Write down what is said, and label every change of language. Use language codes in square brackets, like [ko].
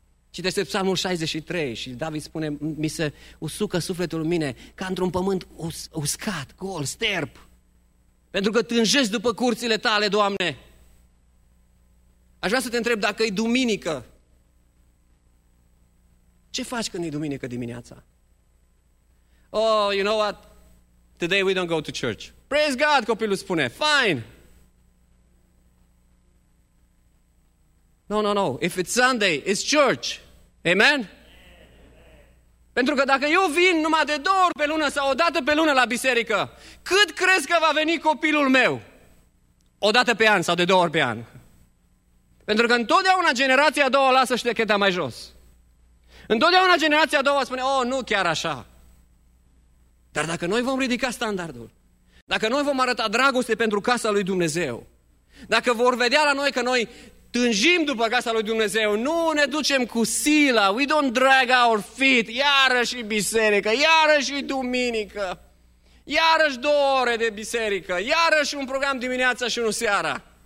[ro] Citește Psalmul 63 și David spune, mi se usucă sufletul în mine ca într-un pământ uscat, gol, sterp, pentru că tânjesc după curțile tale, Doamne. Aș vrea să te întreb, dacă e duminică, ce faci când e duminică dimineața? [en] Oh, you know what? Today we don't go to church. Praise God, [ro] copilul spune, [en] fine. No. If it's Sunday, it's church. Amen? [ro] Pentru că dacă eu vin numai de două ori pe lună sau o dată pe lună la biserică, cât crezi că va veni copilul meu? O dată pe an sau de două ori pe an? Pentru că întotdeauna generația a doua lasă ștecheta mai jos. Întotdeauna generația a doua spune, oh, nu chiar așa. Dar dacă noi vom ridica standardul, dacă noi vom arăta dragoste pentru casa lui Dumnezeu, dacă vor vedea la noi că noi tânjim după casa lui Dumnezeu, nu ne ducem cu sila, [en] we don't drag our feet, [ro] iarăși biserică, iarăși duminică, iarăși două ore de biserică, iarăși un program dimineața și unul seara.